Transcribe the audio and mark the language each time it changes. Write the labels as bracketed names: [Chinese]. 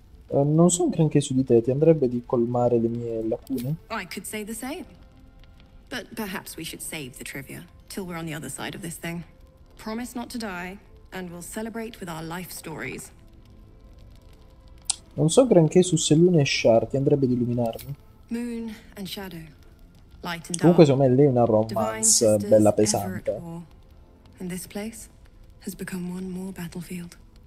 [Italian] Non sono granché su di te, ti andrebbe di colmare le mie lacune? [English] I could say the same. But perhaps we should save the trivia till we're on the other side of this thing. Promise not to die, and we'll celebrate with our life stories. [Italian] Non so granché su Selune e Shar, ti andrebbe di illuminarmi? [English] Moon and shadow. Light and dark. [Italian] Comunque, secondo me, lei è una romance bella pesante. [English] And this place has become one more battlefield.